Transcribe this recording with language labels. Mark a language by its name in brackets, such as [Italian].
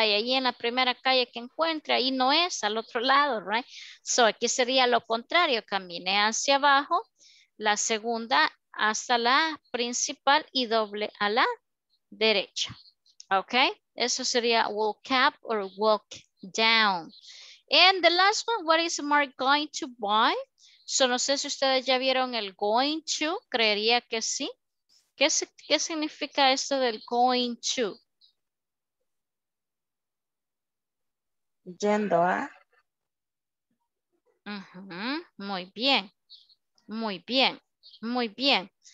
[Spanish] Y ahí en la primera calle que encuentre, ahí no es, al otro lado, right? So aquí sería lo contrario, camine hacia abajo, la segunda hasta la principal y doble a la derecha. Ok, eso sería [English] walk up or walk down. And the last one, what is Mark going to buy? [Spanish] So no sé si ustedes ya vieron el going to, creería que sí. ¿Qué significa esto del going to? Yendo a. Muy bien. Muy bien. Muy bien.